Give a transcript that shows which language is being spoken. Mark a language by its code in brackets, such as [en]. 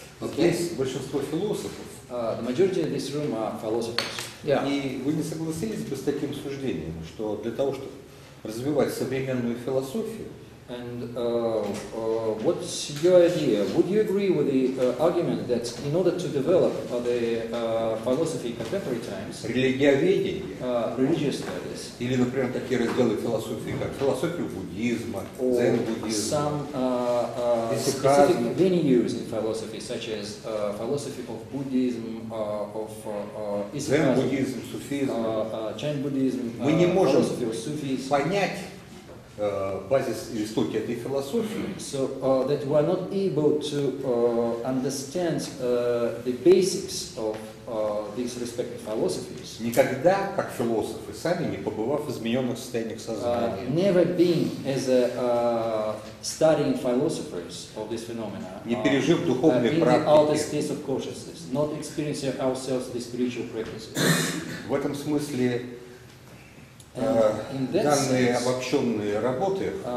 [ru] Здесь большинство философов. [en] The majority of this room are philosophers. Yeah. [ru] И вы не согласились бы с таким суждением, что для того, чтобы развивать современную философию, [en] and what's your idea? Would you agree with the argument that in order to develop the philosophy in contemporary times, [ru] религиоведение, [en] religious studies, [ru] или, например, такие разделы философии, как философия буддизма, дзен-буддизма, [en] some specific venues in philosophy, such as philosophy of Buddhism, of [ru] Islam, дзен-буддизм, суфизм, чан-буддизм, мы не можем понять базис и истоки этой философии. [en] So that we are not able to understand the basics of these respective philosophies. [ru] Никогда, как философы, сами не побывав в измененных состояниях сознания. [en] Never being as a studying philosophers of this phenomena. [ru] Не пережив духовные практики. [en] Out of state of consciousness, not experiencing ourselves the spiritual practices. [ru] В этом смысле. Данные обобщенные работы,